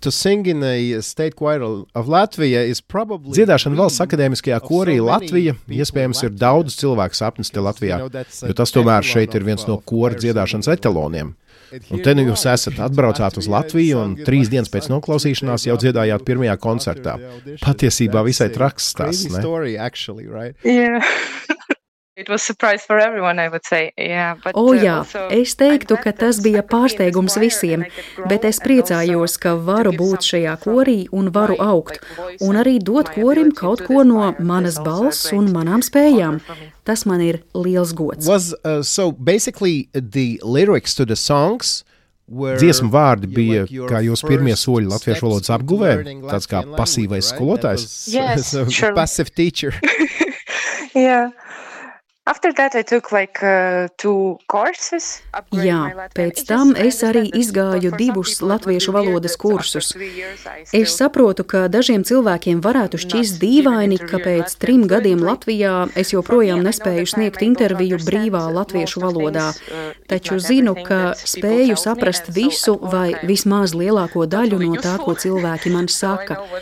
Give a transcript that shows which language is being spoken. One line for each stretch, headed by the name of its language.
English: To sing in a state choir of Latvia is
Latvian: Dziedāšana Valsts akadēmiskajā korī Latvija iespējams ir daudz cilvēku sapnis te Latvijā, jo tas tomēr šeit ir viens no kora dziedāšanas eteloniem. Un te nu jūs esat atbraucāt uz Latviju un 3 dienas pēc noklausīšanās jau dziedājāt pirmajā koncertā. Patiesībā visai traks tas, ne?
English: It was surprise for everyone, I would say.
Latvian: Es teiktu, ka tas bija pārsteigums visiem, bet es priecājos, ka varu būt šajā korī un varu augt, un arī dot korim kaut ko no manas balss un manām spējām. Tas man ir liels gods.
English: Basically the lyrics to the songs
Latvian: Dziesmu vārdi bija, kā jūs pirmie soļi latviešu valodas apguvē, tāds kā pasīvais skolotājs.
English: Yes, sure. Passive teacher. Yeah. After that I took like two courses.
Latvian: Jā, pēc tam es arī izgāju divus latviešu valodas kursus. Es saprotu, ka dažiem cilvēkiem varētu šķist dīvaini, ka pēc 3 gadiem Latvijā es joprojām nespēju sniegt interviju brīvā latviešu valodā, taču zinu, ka spēju saprast visu vai vismaz lielāko daļu no tā, ko cilvēki man saka.